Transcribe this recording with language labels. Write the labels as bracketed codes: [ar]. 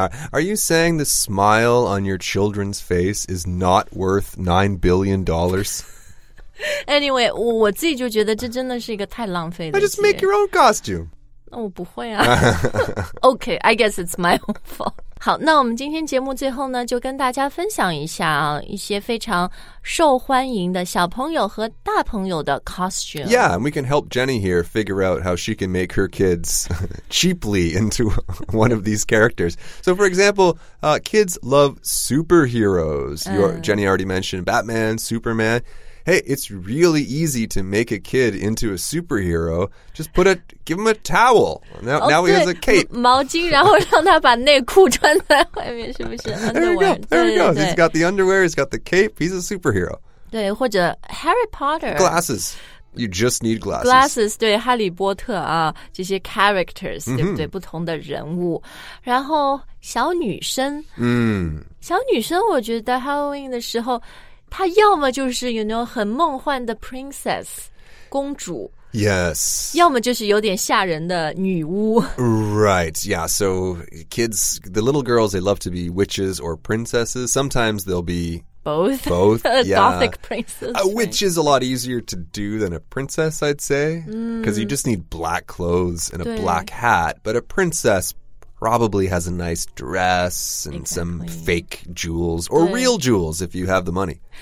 [en] Are you saying the smile on your children's face is not worth $9 billion? Anyway [zh] 我自己就觉得这真的是一个太浪费的钱 [en] Just make your own costume [zh] 我不会啊。 [en] OK, I guess it's my own fault. [zh] 好，那我们今天节目最后呢，就跟大家分享一下啊，一些非常受欢迎的小朋友和大朋友的 costume. [en] Yeah, and we can help Jenny here figure out how she can make her kids cheaply into one of these characters. So, for example, kids love superheroes. Jenny already mentioned Batman, Superman. Hey, it's really easy to make a kid into a superhero. Just give him a towel. Now he has a cape. [zh] 毛巾，然后让他把内裤穿在外面，是不是 [en] There we go. He's got the underwear. He's got the cape. He's a superhero. [zh] 对，或者 Harry Potter. [en] Glasses. You just need glasses. [zh] Glasses, 对，哈利波特啊，这些 characters,、mm-hmm. 对不对？不同的人物。然后小女生。小女生我觉得 Halloween 的时候她要么就是 [en] you know, [zh] 很梦幻的 princess, 公主。 [en] Yes. [zh] 要么就是有点吓人的女巫。 [en] Right, yeah. So kids, the little girls, they love to be witches or princesses. Sometimes they'll be both. Both, yeah. Gothic princess. A witch is a lot easier to do than a princess, I'd say. Because you just need black clothes and a black hat. But a princess probably has a nice dress and some fake jewels or real jewels if you have the money.